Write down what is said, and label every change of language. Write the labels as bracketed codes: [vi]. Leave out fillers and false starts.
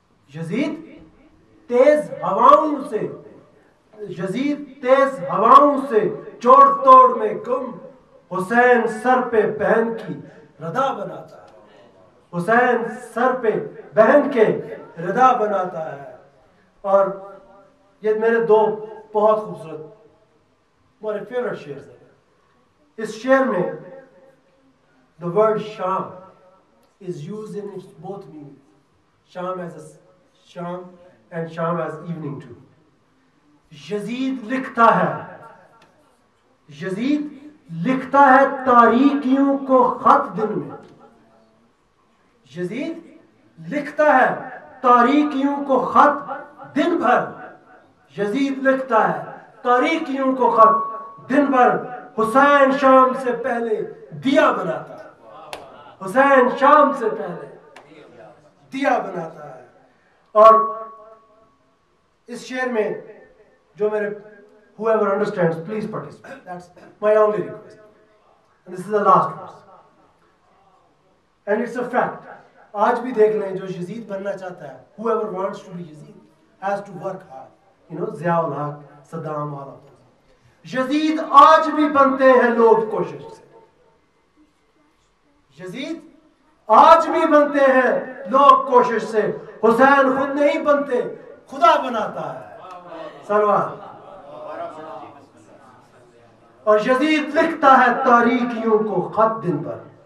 [ur] یزید تیز ہواؤں سے یزید تیز ہواؤں سے چوڑ توڑ میں گم. حسین سر پہ بہن کی ردا بناتا ہے. حسین سر پہ بہن کے ردا بناتا ہے. اور یہ میرے دو بہت خوبصورت میرے فیورٹ شعر ہیں. اس شعر میں [en] the word شام is used in its both meanings. شام as a شام and شام as evening too. [ur] یزید لکھتا ہے, یزید لکھتا ہے تاریکیوں کو خط دن میں. یزید لکھتا ہے تاریکیوں کو خط دن بھر. یزید لکھتا ہے تاریکیوں کو خط دن بھر. حسین شام سے پہلے دیا بناتا ہے. حسین شام سے پہلے دیا بناتا ہے. اور اس شعر میں جو میرے [en] whoever understands please participate. That's my only request. And this is the last verse. And it's a fact. [ur] آج بھی دیکھ لیں جو یزید بننا چاہتا ہے [en] whoever wants to be Yazid has to work hard. You know, Zia ul-Haq, Saddam, all of those. [ur] یزید آج بھی بنتے ہیں لوگ کوشش سے. یزید آج بھی بنتے ہیں لوگ کوشش سے. حسین خود نہیں بنتے, خدا بناتا ہے. سلوات. اور یزید لکھتا ہے تاریکیوں کو خط دن بھر.